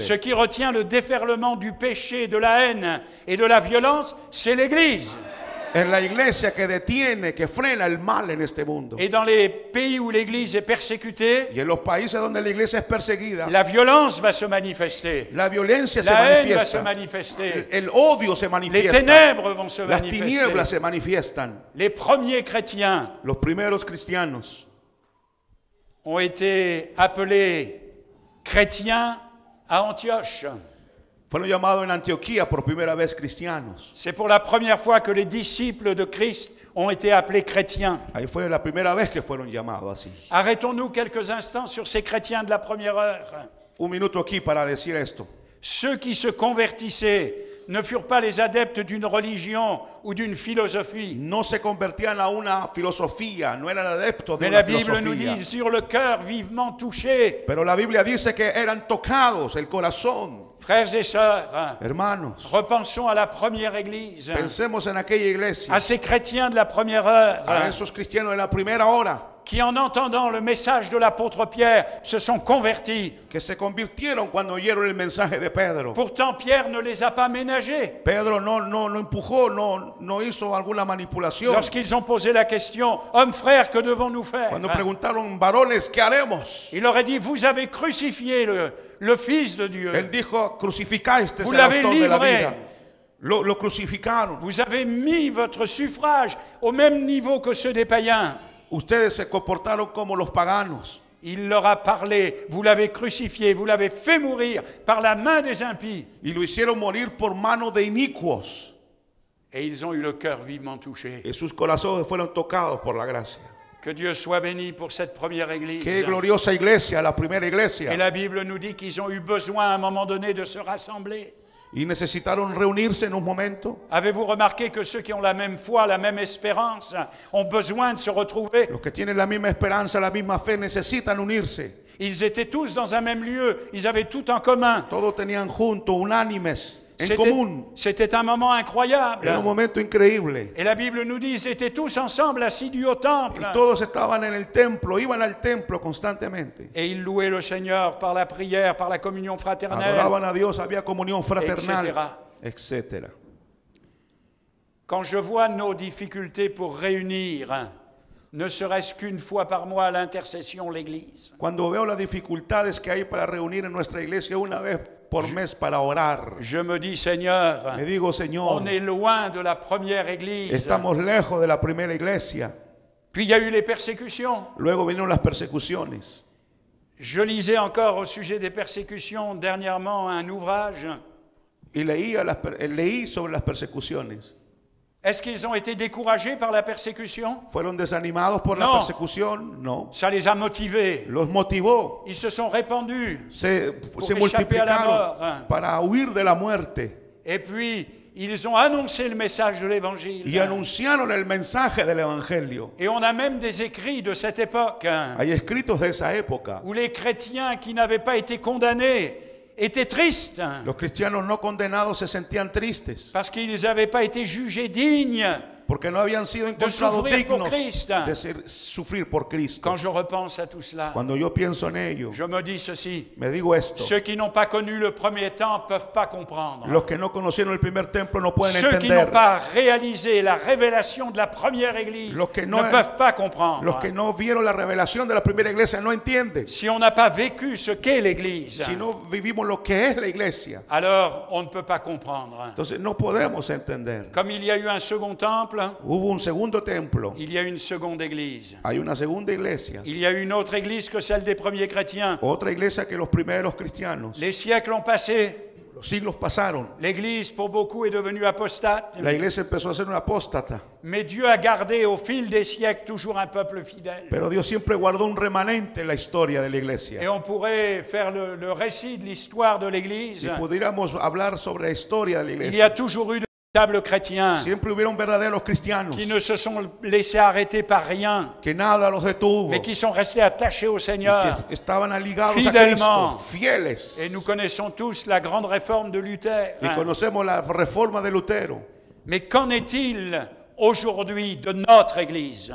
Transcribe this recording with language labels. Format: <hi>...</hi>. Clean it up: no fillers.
<fr>Ce qui retient le déferlement du péché, de la haine et de la violence, c'est l'Église.</fr> <es>En la iglesia que detiene, que frena el mal en este mundo.</es> <fr>Et dans les pays où l'Église est persécutée,</fr> <es>y en los países donde la iglesia es perseguida,</es> <fr>la violence va se manifester.</fr> <es>La violencia la se</es> <fr>haine</fr> <es>manifiesta.</es> <fr>Va se manifester.</fr> <es>El odio se manifiesta.</es> <fr>Les ténèbres vont se</fr> <es>Las</es> <fr>manifester.</fr> <es>Tinieblas se manifiestan.</es> <fr>Les premiers chrétiens.</fr> <es>Los primeros cristianos.</es> <fr>Ont été appelés chrétiens à Antioche.</fr> <es>Fueron llamados en Antioquía por primera vez cristianos.</es> <fr>C'est pour la première fois que les disciples de Christ ont été appelés chrétiens.</fr> <es>Ahí fue la primera vez que fueron llamados así.</es> <fr>Arrêtons-nous quelques instants sur ces chrétiens de la première heure.</fr> <es>Un minuto aquí para decir esto.</es> <fr>Ceux qui se convertissaient ne furent pas les adeptes d'une religion ou d'une philosophie.</fr> <es>No se convertían a una filosofía, no eran adeptos de una filosofía.</es> <fr>Mais la Bible nous dit sur le cœur vivement touché.</fr> <es>Pero la Biblia dice que eran tocados el corazón.</es> <fr>Frères et sœurs,</fr> <es>hermanos,</es> <fr>repensons à la première église.</fr> <es>Pensemos en aquella iglesia.</es> <fr>À ces chrétiens de la première heure.</fr> <es>A esos cristianos de la primera hora.</es> <fr>Qui en entendant le message de l'apôtre Pierre se sont convertis.</fr> <es>Que se convirtieron cuando oyeron el mensaje de Pedro.</es> <fr>Pourtant Pierre ne les a pas ménagés.</fr> <es>Pedro no empujó, no hizo alguna manipulación.</es> <fr>Lorsqu'ils ont posé la question, hommes frères, que devons-nous faire?</fr> <es>Cuando preguntaron varones, ¿qué haremos?</es> <fr>Il leur a dit, vous avez crucifié le Fils de Dieu.</fr> <es>Él dijo, crucificaste</es> <fr>vous l'avez livré.</fr> <es>De la vida. Lo crucificaron.</es> <fr>Vous avez mis votre suffrage au même niveau que ceux des païens.</fr> <es>Ustedes se comportaron como los paganos.</es> <fr>Il leur a parlé, vous l'avez crucifié, vous l'avez fait mourir par la main des impies.</fr> <es>Y lo hicieron morir por mano de inicuos.</es> <fr>Et ils ont eu le cœur vivement touché.</fr> <es>Y sus corazones fueron tocados por la gracia.</es> <fr>Que Dieu soit béni pour cette première église.</fr> <es>Qué gloriosa iglesia, la primera iglesia.</es> <fr>Et la Bible nous dit qu'ils ont eu besoin à un moment donné de se rassembler.</fr> <es>Y necesitaron reunirse en un momento.</es> <fr>Avez-vous remarqué que ceux qui ont la même foi, la même espérance, ont besoin de se retrouver?</fr> <es>Los que tienen la misma esperanza, la misma fe, necesitan unirse.</es> <fr>Ils étaient tous dans un même lieu, ils avaient tout en commun.</fr> <es>Todos tenían junto, unánimes, en común.</es> <fr>C'était un moment incroyable.</fr> <es>Era un momento increíble.</es> <fr>Et la Bible nous dit, ils étaient tous ensemble, assidus au temple.</fr> <es>Y todos estaban en el templo, iban al templo constantemente.</es> <fr>Et ils louaient le Seigneur par la prière, par la communion fraternelle.</fr> <es>Adoraban a Dios, había comunión fraternal, etc.</es> <fr>Quand je vois nos difficultés pour réunir, ne serait-ce qu'une fois par mois à l'intercession l'Église.</fr> <es>Cuando veo las dificultades que hay para reunir en nuestra iglesia una vez por mes para orar.</es> <fr>Je me dis Seigneur.</fr> <es>Me digo Señor.</es> <fr>On est loin de la première église.</fr> <es>Estamos lejos de la primera iglesia.</es> <fr>Puis il y a eu les persécutions.</fr> <es>Luego vinieron las persecuciones.</es> <fr>Je lisais encore au sujet des persécutions dernièrement un ouvrage.</fr> <es>Leí sobre las persecuciones.</es> <fr>Est-ce qu'ils ont été découragés par la persécution?</fr> <es>Fueron desanimados por la persecución? No.</es> <fr>Ça les a motivés.</fr> <es>Los motivó.</es> <fr>Ils se sont répandus.</fr> <es>Se multiplicaron para huir de la muerte.</es> <fr>Et puis ils ont annoncé le message de l'Évangile.</fr> <es>Y anunciaron el mensaje del Evangelio.</es> <fr>Et on a même des écrits de cette époque.</fr> <es>Hay escritos de esa época.</es> <fr>Où les chrétiens qui n'avaient pas été condamnés étaient tristes.</fr> <es>Los cristianos no condenados se sentían tristes.</es> <fr>Parce qu'ils n'avaient pas été jugés dignes.</fr> <es>Porque no habían sido encontrados dignos de sufrir por Cristo.</es> <fr>Quand je repense à tout cela,</fr> <es>cuando yo pienso en ello,</es> <fr>je me dis ceci,</fr> <es>me digo esto,</es> <fr>ceux qui n'ont pas connu le premier temple peuvent pas comprendre.</fr> <es>Los que no conocieron el primer templo no pueden</es> <fr>ceux</fr> <es>entender.</es> <fr>Ceux qui n'ont pas réalisé la révélation de la première église ne peuvent pas comprendre.</fr> <es>Los que no vieron la revelación de la primera iglesia no entienden.</es> <fr>Si on n'a pas vécu ce qu'est l'église,</fr> <es>si no vivimos lo que es la iglesia,</es> <fr>alors on ne peut pas comprendre.</fr> <es>Entonces no podemos entender.</es> <fr>Comme il y a eu un second temple,</fr> <es>hubo un segundo templo.</es> <fr>Il y a une seconde église.</fr> <es>Hay una segunda iglesia.</es> <fr>Il y a une autre église que celle des premiers chrétiens.</fr> <es>Otra iglesia que los primeros cristianos.</es> <fr>Les siècles ont passé.</fr> <es>Los siglos pasaron.</es> <fr>L'église pour beaucoup est devenue apostate.</fr> <es>La iglesia empezó a ser una apóstata.</es> <fr>Mais Dieu a gardé au fil des siècles toujours un peuple fidèle.</fr> <es>Pero Dios siempre guardó un remanente en la historia de la iglesia.</es> <fr>Et on pourrait faire le récit de l'histoire de l'église.</fr> <es>Si pudiéramos hablar sobre la historia de la iglesia.</es> <fr>Il y a toujours eu chrétiens,</fr> <es>siempre hubieron verdaderos cristianos</es> <fr>qui ne se sont laissés arrêter par rien,</fr> <es>que nada los detuvo,</es> <fr>mais qui sont restés attachés au Seigneur,</fr> <es>que estaban ligados</es> <fr>fidèlement,</fr> <es>a Cristo, fieles.</es> <fr>Et nous connaissons tous la grande réforme de Luther.</fr> <es>Y conocemos la reforma de Lutero.</es> <fr>Mais qu'en est-il aujourd'hui de notre Église?</fr>